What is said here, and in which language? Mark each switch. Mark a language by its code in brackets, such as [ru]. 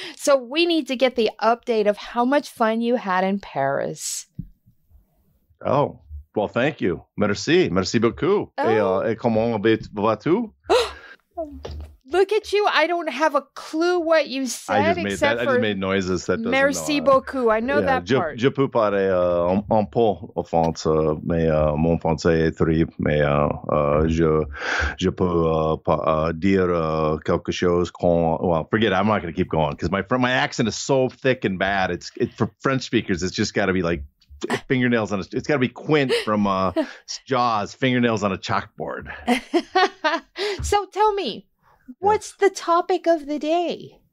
[en] So we need to get the update of how much fun you had in Paris. Oh, well, thank you. [fr] Merci. Merci beaucoup. Et comment vas-tu? [en] Look at you. I don't have a clue what you said. I just made noises. That doesn't [fr] merci beaucoup. [en] I know that [fr] je, [en] part. [fr] Je peux parler un peu en français, mais mon français est terrible. Mais je peux dire quelque chose quand... [en] Well, forget it. I'm not going to keep going because my accent is so thick and bad. It's for French speakers, it's just got to be like fingernails on a... It's got to be Quint from Jaws, fingernails on a chalkboard. So tell me. What's the topic of the day?